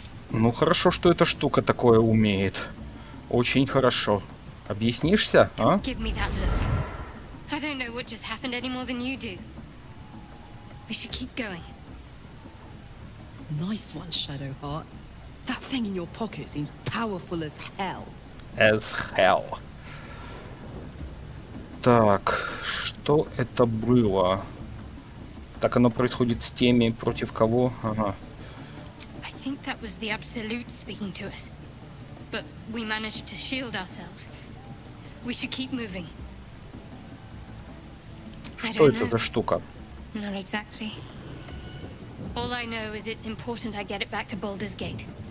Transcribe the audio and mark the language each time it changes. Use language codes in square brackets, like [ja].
[ru] Ну хорошо, что эта штука такое умеет. Очень хорошо. Объяснишься, а? [en] Give me that look. I don't know what just happened any more than you do. We should keep going. Nice one, Shadowheart. That thing in your pocket seems powerful as hell. As hell. [ru] Так, что это было? Так оно происходит с теми, против кого? Ага. [en] I think that was the Absolute speaking to us. But we managed to shield ourselves. We should keep moving. [ru] Что это за штука? [en] Not exactly. All I know is it's important I get it back to Baldur's Gate.